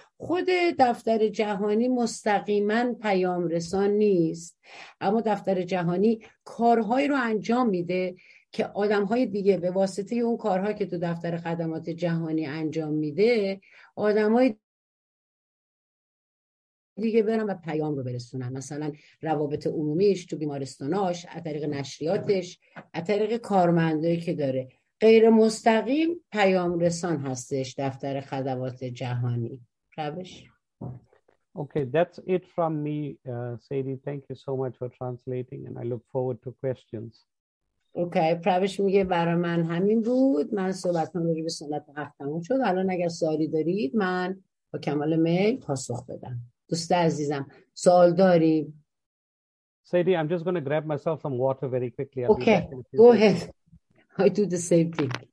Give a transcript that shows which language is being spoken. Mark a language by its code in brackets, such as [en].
[fa] خود دفتر جهانی مستقیما پیام رسان نیست، اما دفتر جهانی کارهایی رو انجام میده که آدم های دیگه به واسطه اون کارها که تو دفتر خدمات جهانی انجام میده آدم های دیگه برن و پیام رو برسونن، مثلا روابط عمومیش تو بیمارستاناش از طریق نشریاتش از طریق کارمندایی که داره. غیر مستقیم پیام رسان هستش دفتر خدمات جهانی. روش [en] Okay, that's it from me, Sadie. Thank you so much for translating and I look forward to questions. [fa] اوکی، پروش میگه برای من همین بود، من صحبتمون رو به سنت وقت تموم شد، الان اگر سوالی دارید من با کمال میل پاسخ بدم. دوست عزیزم سوال داری؟ [en] Sadie, I'm just going to grab myself some water very quickly. Okay, go ahead. I do the same thing.